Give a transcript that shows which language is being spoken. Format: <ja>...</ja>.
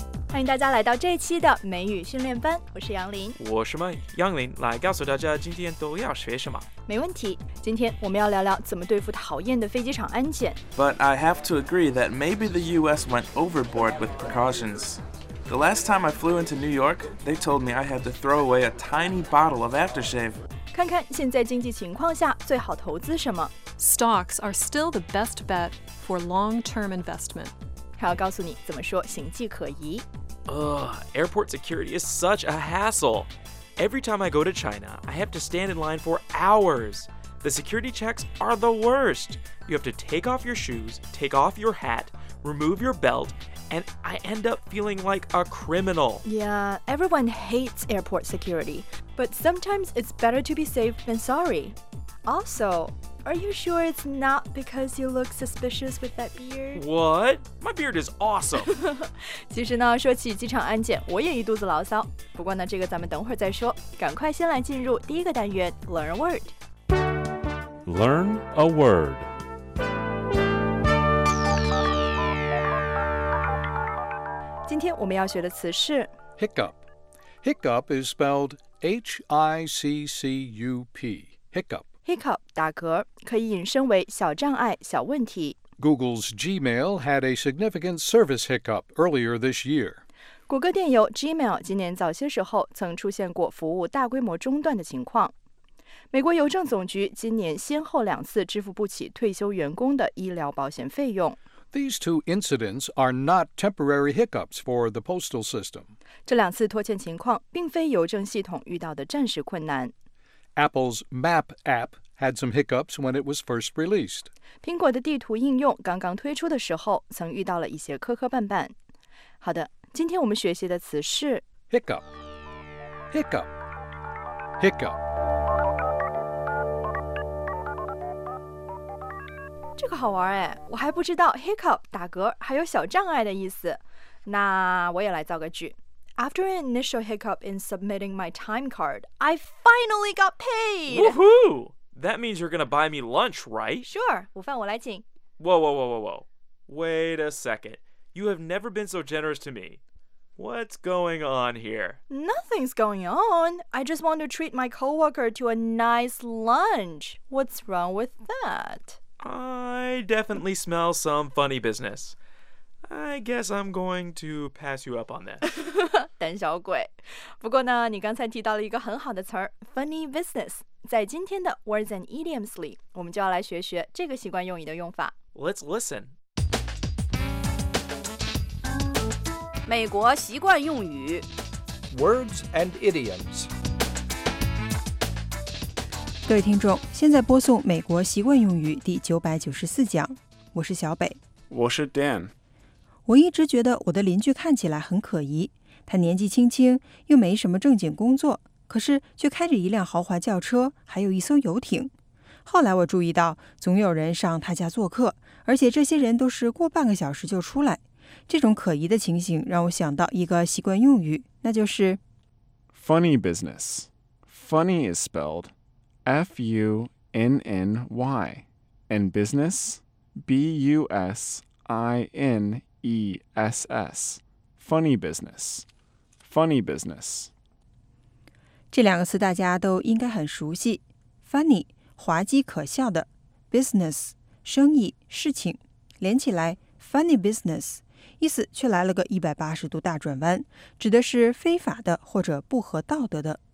<zh>欢迎大家来到这一期的美语训练班，我是杨林。我是麦杨林，来告诉大家今天都要学什么。没问题，今天我们要聊聊怎么对付讨厌的飞机场安检。</zh> <en>But I have to agree that maybe the US went overboard with precautions. The last time I flew into New York, they told me I had to throw away a tiny bottle of aftershave.</en> <zh>看看现在经济情况下最好投资什么。</zh> <en>Stocks are still the best bet for long-term investment.</en> <zh>还要告诉你怎么说行迹可疑。</zh> <en>Airport security is such a hassle. Every time I go to China, I have to stand in line for hours. The security checks are the worst. You have to take off your shoes, take off your hat, remove your belt, and I end up feeling like a criminal. Yeah, everyone hates airport security. But sometimes it's better to be safe than sorry. Also,Are you sure it's not because you look suspicious with that beard? What? My beard is awesome.</en> <zh>其实呢，说起机场安检，我也一肚子牢骚。不过呢，这个咱们等会儿再说。赶快先来进入第一个单元 ，</zh> <en>Learn a word. Learn a word.</en> <zh>Today, 我们要学的词是</zh> <en>hiccup. Hiccup is spelled H-I-C-C-U-P. Hiccup.</en> <zh>Hiccup, 打嗝,可以引申为小障碍,小问题。</zh> <en>Google's Gmail had a significant service hiccup earlier this year.</en> <zh>谷歌电邮 Gmail 今年早些时候曾出现过服务大规模中断的情况。美国邮政总局今年先后两次支付不起退休员工的医疗保险费用。</zh> <en>These two incidents are not temporary hiccups for the postal system.</en> <zh>这两次拖欠情况并非邮政系统遇到的暂时困难。</zh> <en>Apple's Map app had some hiccups when it was first released.</en> <zh>苹果的地图应用刚刚推出的时候曾遇到了一些磕磕绊绊。好的，今天我们学习的词是</zh> <en>Hiccup. Hiccup. Hiccup.</en> <zh>这个好玩哎，我还不知道 hiccup 打嗝还有小障碍的意思。那我也来造个句。</zh> <en>After an initial hiccup in submitting my time card, I finally got paid! Woohoo! That means you're gonna buy me lunch, right?</en> <zh>Sure, 午饭我来请。</zh> <en>Whoa, whoa, whoa, whoa, whoa. Wait a second. You have never been so generous to me. What's going on here? Nothing's going on. I just want to treat my coworker to a nice lunch. What's wrong with that? I definitely smell some funny business. I guess I'm going to pass you up on that.</en> <zh>胆小鬼。不过呢，你刚才提到了一个很好的词儿 ，funny business。在今天的 Words and Idioms 里，我们就要来学学这个习惯用语的用法。</zh> <en>Let's listen.</en> <zh>美国习惯用语</zh> <en>，Words and Idioms。</en> <zh>各位听众，现在播送美国习惯用语第994讲，我是小北，我是 Dan。我一直觉得我的邻居看起来很可疑，他年纪轻轻又没什么正经工作，可是却开着一辆豪华轿车，还有一艘游艇。后来我注意到总有人上他家做客，而且这些人都是过半个小时就出来。这种可疑的情形让我想到一个习惯用语，那就是</zh> <en>Funny business. Funny is spelled F-U-N-N-Y and business B-U-S-I-N-E-S-S funny business, funny business.</en> <zh>这两个词大家都应该很熟悉。Funny, 滑稽可笑的。 Business, 生意、事情。连起来 ,funny business, 意思却来了个180度大转弯，指的是非法的或者不合道德的。</zh>